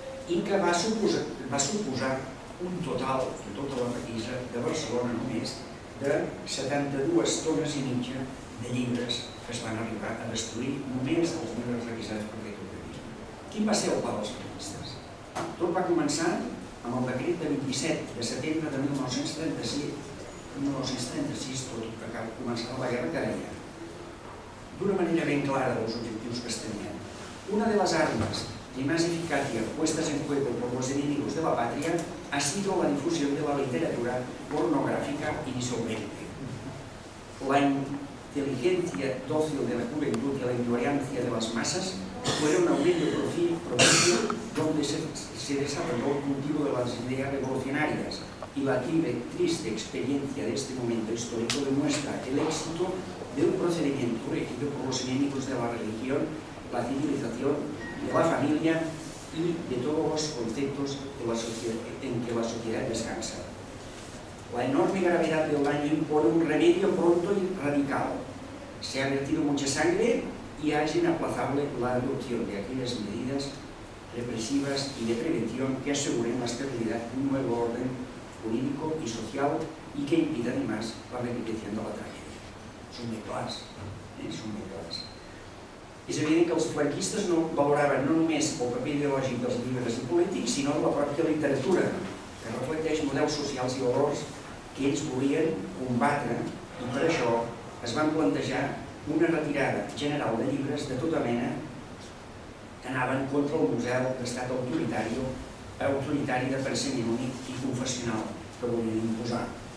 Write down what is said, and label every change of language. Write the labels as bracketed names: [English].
[Catalan] I que va suposar un total, en tota la requisa, de Barcelona només, de 72 tones i mitja de llibres que es van arribar a destruir només dels llibres requisats per aquest organisme. Quin va ser el pla dels franquistes? Tot va començar amb el decret de 27 de setembre de 1936, tot i que començava la guerra que deia. D'una manera ben clara dels objectius que es tenien. [Spanish] Una de les armes de más eficacia puestas en juego por los enemigos de la patria ha sido la difusión de la literatura pornográfica y disolvente. La inteligencia dócil de la juventud y la ignorancia de las masas fueron a un medio propicio donde se desarrolló el cultivo de las ideas revolucionarias y la triste experiencia de este momento histórico demuestra el éxito de un procedimiento regido por los enemigos de la religión, la civilización, de la familia y de todos los conceptos en que la sociedad descansa. La enorme gravedad del daño impone un remedio pronto y radical. Se ha vertido mucha sangre y es inaplazable la adopción de aquellas medidas represivas y de prevención que aseguren la estabilidad de un nuevo orden jurídico y social y que impida además la repetición de la tragedia. [Catalan] Son de clars, son de clars. És evident que els franquistes no valoraven no només el paper ideològic dels llibres i polítics, sinó la pròpia literatura, que reflecteix models socials i valors que ells volien combatre, i per això es van plantejar una retirada general de llibres de tota mena que anaven contra el model d'estat autoritari de pensament únic i confessional que volien imposar.